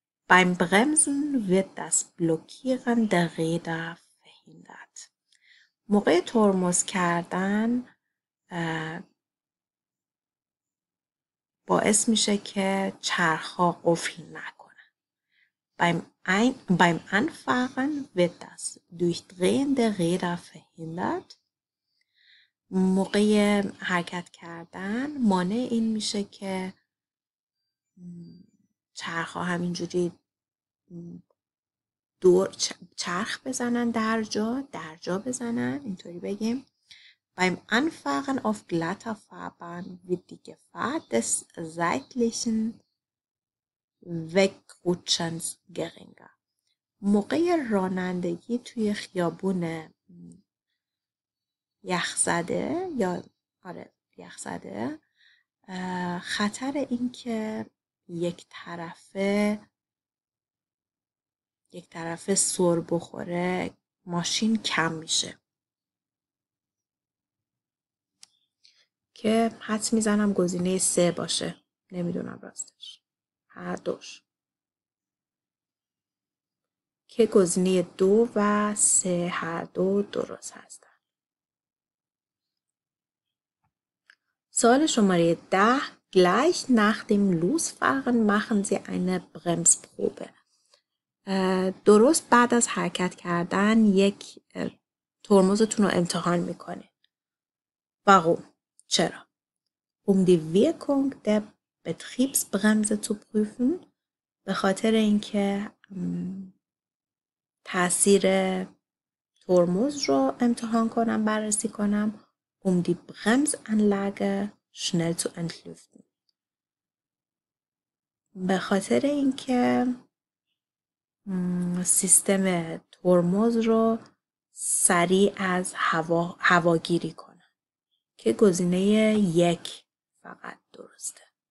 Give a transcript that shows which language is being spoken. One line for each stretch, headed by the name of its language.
German: Beim Bremsen wird das Blockieren der Räder verhindert.
Persian: موقع ترمز کردن باعث میشه که چرخها قفل نکنه.
German: Beim Anfahren wird das Durchdrehen der Räder verhindert.
Persian: موقع حرکت کردن مانع این میشه که چرخ ها همینجوری دور چرخ بزنن در جا بزنن اینطوری بگیم.
German: Beim Anfahren auf glatter Fahrbahn wird die Gefahr des seitlichen Wegrutschens geringer.
Persian: موقع رانندگی توی خیابون یخزده یا آره یخزده خطر اینکه یک طرفه سر بخوره ماشین کم میشه، که حدس میزنم گزینه سه باشه، نمیدونم راستش. هر دوش که گزینه دو و سه هر دو درست هستن. سوال شماره ده:
German: Gleich nach dem Losfahren machen Sie eine Bremsprobe.
Persian: درست بعد از حرکت کردن یک ترمزتون رو امتحان میکنید.
German: Warum?
Persian: چرا؟
German: Um die Wirkung der Betriebsbremse zu prüfen.
Persian: به خاطر اینکه تاثیر ترمز رو امتحان کنم، بررسی کنم.
German: Um die Bremsanlage schnell zu entlüften.
Persian: به خاطر اینکه سیستم ترمز رو سریع از هواگیری کنه، که گزینه یک فقط درسته.